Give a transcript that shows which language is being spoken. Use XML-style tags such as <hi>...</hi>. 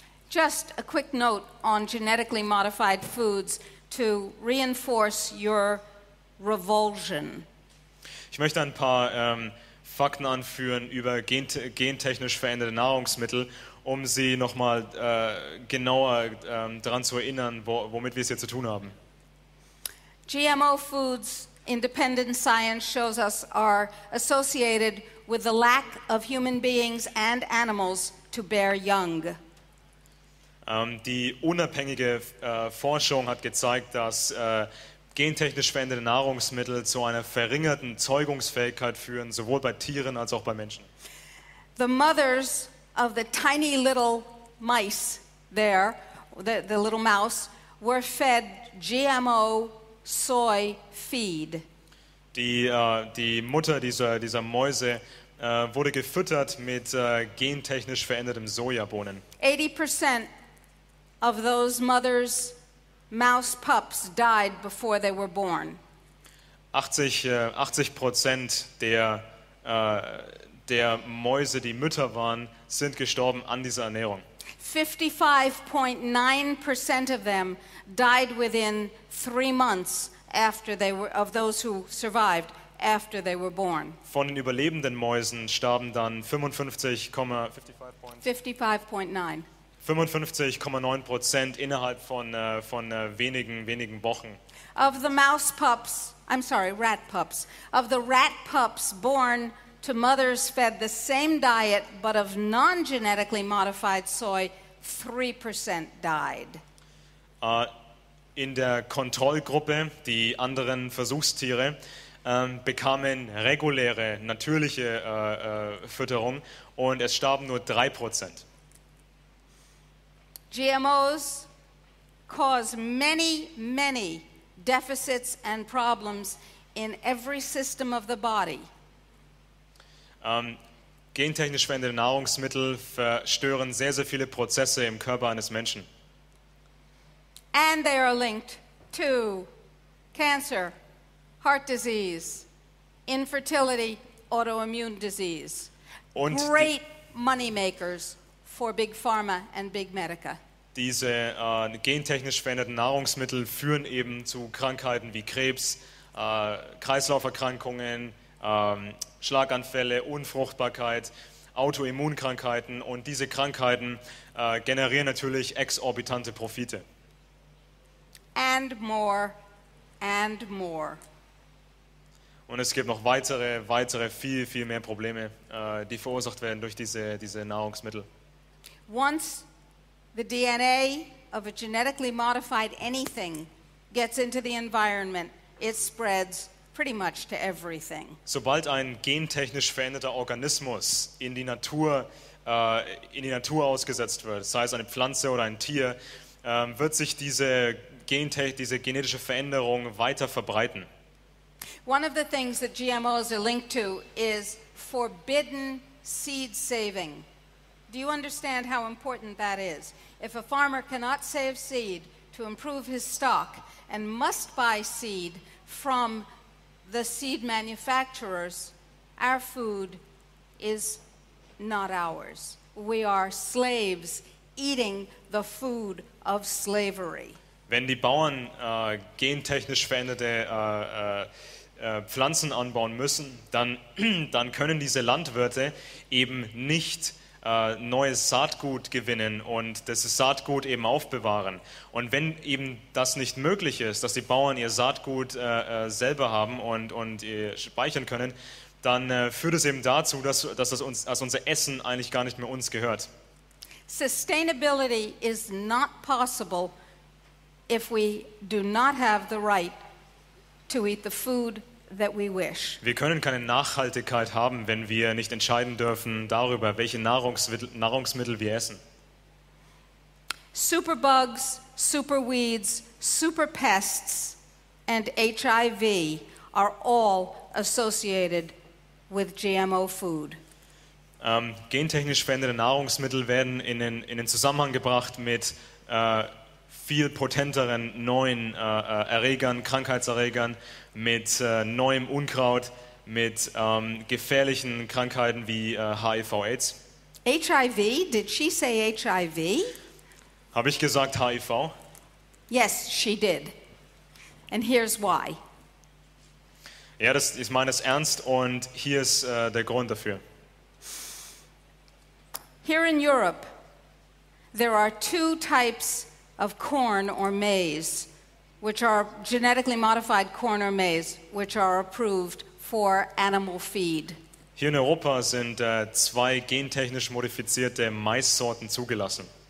<en>Just a quick note on genetically modified foods to reinforce your revulsion.</en> <de>Ich möchte ein paar Fakten anführen über gentechnisch veränderte Nahrungsmittel, um Sie nochmal genauer daran zu erinnern, womit wir es hier zu tun haben.</de> <en>GMO foods, independent science shows us, are associated with the lack of human beings and animals to bear young.</en> <de>Die unabhängige Forschung hat gezeigt, dass gentechnisch veränderte Nahrungsmittel zu einer verringerten Zeugungsfähigkeit führen, sowohl bei Tieren als auch bei Menschen.</de> <en>The mothers of the tiny little mice there, the little mouse, were fed GMO soy feed.</en> <de>Die Mutter dieser Mäuse wurde gefüttert mit gentechnisch verändertem Sojabohnen.</de> <en>80% of those mothers' mouse pups died before they were born.</en> <de>80% der Mäuse, die Mütter waren, sind gestorben an dieser Ernährung.</de> <en>55.9% of them died within 3 months after they were of those who survived after they were born.</en> <de>Von den überlebenden Mäusen starben dann 55,9% innerhalb von wenigen Wochen.</de> <en>Of the mouse pups, I'm sorry, rat pups. Of the rat pups born to mothers fed the same diet but of non-genetically modified soy, 3% died.</en> <de>In der Kontrollgruppe, die anderen Versuchstiere, bekamen reguläre, natürliche Fütterung und es starben nur 3%.</de> <en>GMOs cause many, many deficits and problems in every system of the body.</en> <de>Gentechnisch veränderte Nahrungsmittel verstören sehr, sehr viele Prozesse im Körper eines Menschen.</de> <en>And they are linked to cancer, heart disease, infertility, autoimmune disease.</en> <de>Und</de> <en>great money makers for big pharma and big medica.</en> <de>Diese gentechnisch veränderten Nahrungsmittel führen eben zu Krankheiten wie Krebs, Kreislauferkrankungen, Schlaganfälle, Unfruchtbarkeit, Autoimmunkrankheiten und diese Krankheiten generieren natürlich exorbitante Profite.</de> <en>And more, and more.</en> <de>Und es gibt noch weitere, viel, viel mehr Probleme, die verursacht werden durch diese Nahrungsmittel.</de> <en>Once the DNA of a genetically modified anything gets into the environment, it spreads pretty much to everything.</en> <de>Sobald ein gentechnisch veränderter Organismus in die Natur ausgesetzt wird, sei es eine Pflanze oder ein Tier, wird sich diese genetische Veränderung weiter verbreiten.</de> <en>One of the things that GMOs are linked to is forbidden seed saving. Do you understand how important that is? If a farmer cannot save seed to improve his stock and must buy seed from the seed manufacturers, our food is not ours. We are slaves eating the food of slavery.</en> <de>Wenn die Bauern gentechnisch veränderte Pflanzen anbauen müssen, dann können diese Landwirte eben nicht neues Saatgut gewinnen und das Saatgut eben aufbewahren. Und wenn eben das nicht möglich ist, dass die Bauern ihr Saatgut selber haben und speichern können, dann führt es eben dazu, dass unser Essen eigentlich gar nicht mehr uns gehört.</de> <en>Sustainability is not possible if we do not have the right to eat the food that we wish.</en> <de>Wir können keine Nachhaltigkeit haben, wenn wir nicht entscheiden dürfen darüber, welche Nahrungsmittel wir essen.</de> <en>Superbugs, superweeds, superpests and HIV are all associated with GMO food.</en> <de>Gentechnisch veränderte Nahrungsmittel werden in den Zusammenhang gebracht mit viel potenteren neuen Erregern, Krankheitserregern, mit neuem Unkraut, mit gefährlichen Krankheiten wie HIV/AIDS.</de> <en>HIV? Did she say HIV?</en> <de>Habe ich gesagt HIV?</de> <en>Yes, she did. And here's why.</en> <de>Ja, das ist meines Ernst und hier ist der Grund dafür.</de> <en>Here in Europe, there are two types of corn or maize, which are genetically modified corn or maize, which are approved for animal feed.</en> <de>Hier in Europa sind zwei gentechnisch modifizierte Maissorten zugelassen.</de>